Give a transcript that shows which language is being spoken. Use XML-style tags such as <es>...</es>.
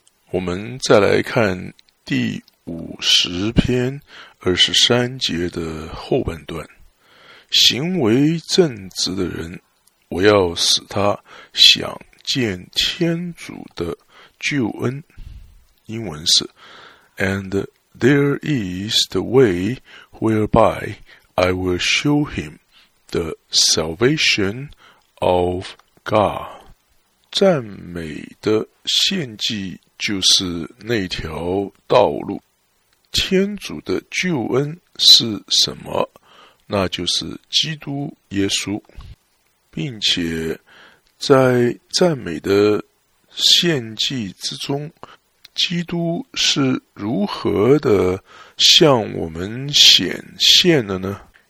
<zh>我们再来看第50篇23节的后半段，行为正直的人，我要使他想见天主的救恩。英文是</zh> <en>And there is the way whereby I will show him the salvation of God.</en> <zh>赞美的献祭就是那条道路。天主的救恩是什么？那就是基督耶稣，并且在赞美的献祭之中，基督是如何的向我们显现了呢？</zh>